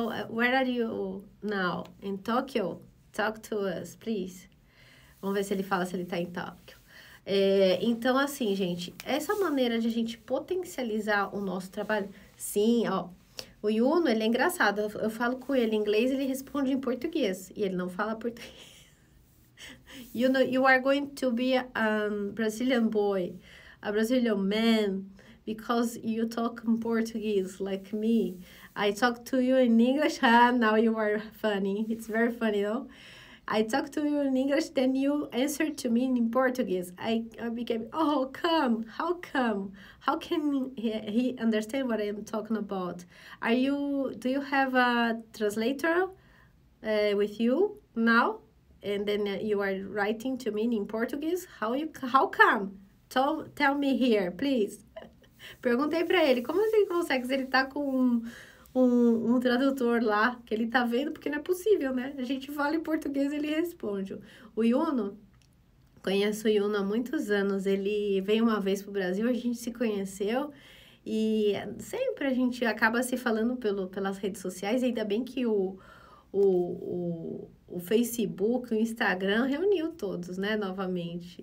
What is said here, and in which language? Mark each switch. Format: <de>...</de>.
<en>Where are you now? In Tokyo? Talk to us, please.</en> <pt>Vamos ver se ele fala se ele tá em Tóquio. Então, assim, gente, essa maneira de a gente potencializar o nosso trabalho, sim, ó, o Yuno, ele é engraçado, eu falo com ele em inglês, ele responde em português, e ele não fala português.</pt> <en>Yuno, you are going to be a Brazilian boy, a Brazilian man, because you talk in Portuguese, like me. I talk to you in English, now you are funny, it's very funny, though. I talk to you in English, then you answer to me in Portuguese. I became, oh, come, how come? How can he understand what I am talking about? Do you have a translator with you now? And then you are writing to me in Portuguese? How come? Tell me here, please.</en> <pt>Perguntei para ele, como ele consegue se ele tá com um tradutor lá, que ele tá vendo, porque não é possível, né? A gente fala em português, ele responde. O Yuno, conheço o Yuno há muitos anos, ele veio uma vez pro Brasil, a gente se conheceu e sempre a gente acaba se falando pelas redes sociais, ainda bem que o Facebook, o Instagram reuniu todos, né, novamente.</pt>